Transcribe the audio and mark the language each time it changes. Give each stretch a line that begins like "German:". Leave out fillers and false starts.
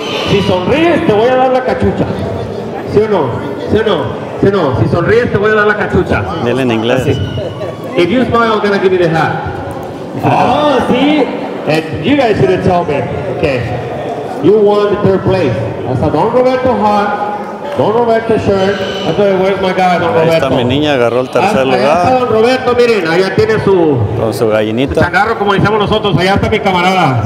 Spanish: Si sonríes, te voy a dar la cachucha. ¿Sí o no? ¿Sí o no? ¿Sí o no? Si sonríes, te voy a dar la cachucha. Dile en inglés. Así.
English: If you smile, I'm gonna give you the hat. Oh, sí. And you guys shouldn't tell me. Okay. You won the third place. Hasta Don Roberto Hart, Don Roberto Shirt. Entonces, where's my guy, Don Roberto?
Spanish: Ahí está mi niña, agarró el tercer lugar. Ahí está Don Roberto, miren, allá tiene su... con su gallinita. Se agarro como decimos nosotros, allá está mi camarada.